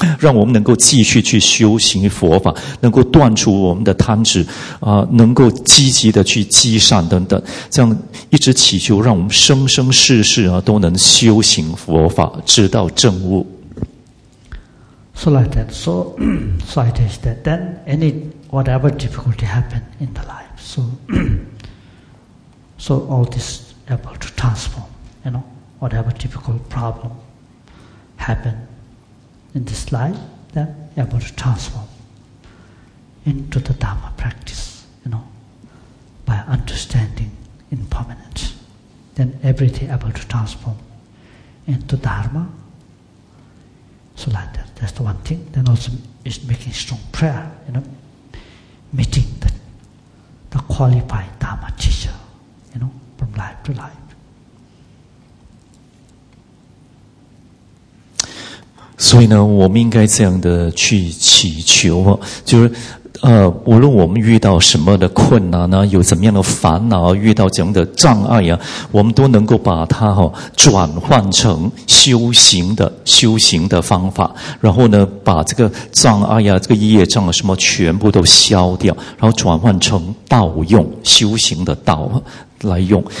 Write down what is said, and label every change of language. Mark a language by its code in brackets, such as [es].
[zh] 让我们能够继续去修行佛法，能够断除我们的贪执，能够积极的去积善等等，这样一直祈求，让我们生生世世都能修行佛法，直到证悟。 [en] So like that. So, so I teach that. Then any whatever difficulty happen in the life, so so all this able to transform. You know, whatever difficult problem happen in this life, then able to transform into the Dharma practice. You know, by understanding impermanence, then everything able to transform into Dharma. So like that. That's the one thing. Then also is making strong prayer, you know, meeting the qualified Dharma teacher, you know, from life to life. [zh] 所以呢，我们应该这样的去祈求，就是无论我们遇到什么的困难呢，有怎么样的烦恼，遇到怎样的障碍啊，我们都能够把它哈、哦、转换成修行的方法，然后呢，把这个障碍啊，这个业障啊什么全部都消掉，然后转换成道用修行的道来用。